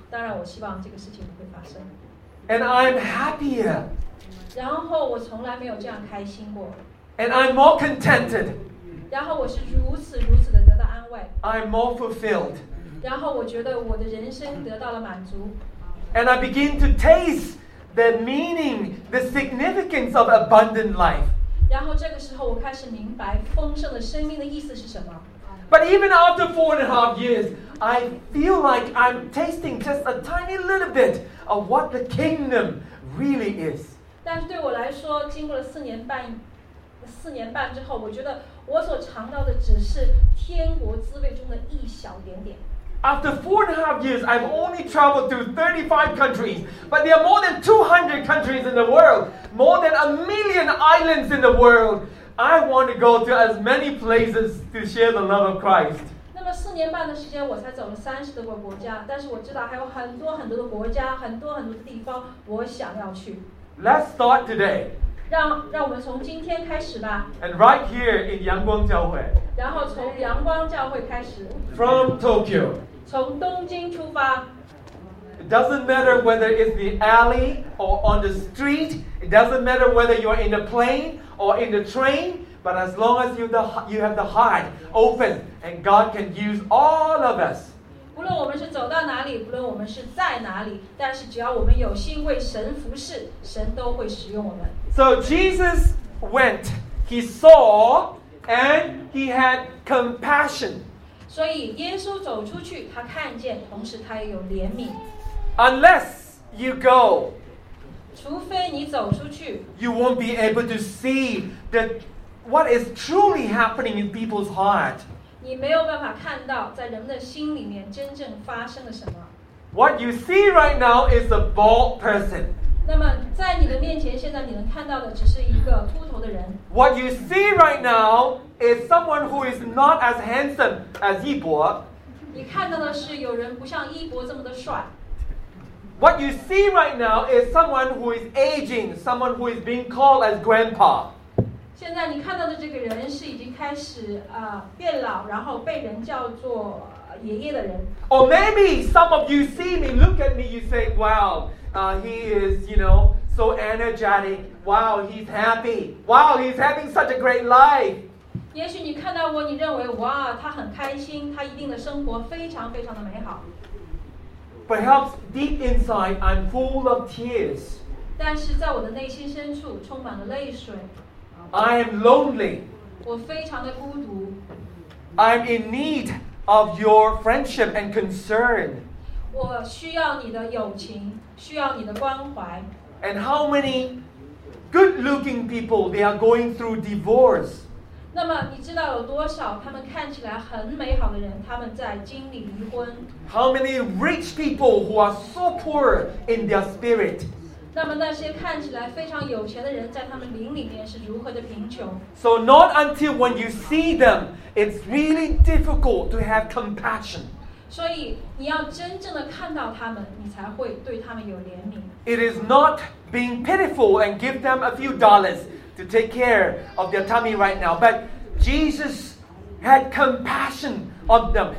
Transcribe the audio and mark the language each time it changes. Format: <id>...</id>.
<zh>当然，我希望这个事情不会发生。</zh> <en>And I'm happier.</en> <zh>然后我从来没有这样开心过。</zh> <en>And I'm more contented.</en> <zh>然后我是如此如此的。</zh> <en>I'm more fulfilled.</en> <zh>然后我觉得我的人生得到了满足。</zh> <en>And I begin to taste the meaning, the significance of abundant life.</en> <zh>然后这个时候我开始明白丰盛的生命的意思是什么。</zh> <en>But even after 4.5 years, I feel like I'm tasting just a tiny little bit of what the kingdom really is.</en> <zh>但是对我来说，经过了四年半之后，我觉得我所尝到的只是天国滋味中的一小点点。</zh> <en>After 4.5 years, I've only traveled to 35 countries, but there are more than 200 countries in the world, more than 1 million islands in the world. I want to go to as many places to share the love of Christ.</en> <zh>那么四年半的时间，我才走了30多个国家，但是我知道还有很多很多的国家，很多很多的地方，我想要去。</zh> <en>Let's start today.</en> <zh>让我们从今天开始吧。</zh> <en>And right here in 阳光教会。</en> <zh>然后从阳光教会开始。</zh> <en>From Tokyo.</en> <zh>从东京出发。</zh> <en>It doesn't matter whether it's the alley or on the street. It doesn't matter whether you're in the plane or in the train. But as long as you have the heart open, and God can use all of us.</en> <zh>无论我们是走到哪里，无论我们是在哪里，但是只要我们有心为神服事，神都会使用我们。</zh> <en>So Jesus went, he saw, and he had compassion.</en> <zh>所以耶稣走出去，他看见，同时他也有怜悯。</zh> <en>Unless you go,</en> <zh>除非你走出去，</zh> <en>you won't be able to see that what is truly happening in people's heart.</en> <zh>你没有办法看到在人们的心里面真正发生了什么。</zh> <en>What you see right now is a bald person.</en> <zh>那么在你的面前现在你能看到的只是一个秃头的人。</zh> <en>What you see right now is someone who is not as handsome as 一博。</en> <zh>你看到的是有人不像一博这么的帅。</zh> <en>What you see right now is someone who is aging, someone who is being called as grandpa.</en> <zh>现在你看到的这个人是已经开始变老，然后被人叫做爷爷的人。</zh> <en>Or maybe some of you see me, look at me, you say, wow. He is, you know, so energetic. Wow, he's happy. Wow, he's having such a great life.</en> <zh>也许你看到我，你认为哇，他很开心，他一定的生活非常非常的美好。</zh> <en>Perhaps deep inside, I'm full of tears.</en> <zh>但是在我的内心深处，充满了泪水。</zh> <en>I am lonely.</en> <zh>我非常的孤独。</zh> <en>I'm in need of your friendship and concern.</en> <zh>我需要你的友情，需要你的关怀。</zh> <en>And how many good-looking people they are going through divorce?</en> <zh>那么你知道有多少他们看起来很美好的人，他们在经历离婚</zh> <en>？How many rich people who are so poor in their spirit?</en> <zh>那么那些看起来非常有钱的人，在他们灵里面是如何的贫穷</zh> <en>？So not until when you see them, it's really difficult to have compassion.</en> <zh>所以你要真正的看到他们，你才会对他们有怜悯。</zh> <en>It is not being pitiful and give them a few dollars to take care of their tummy right now, but Jesus had compassion on them.</en>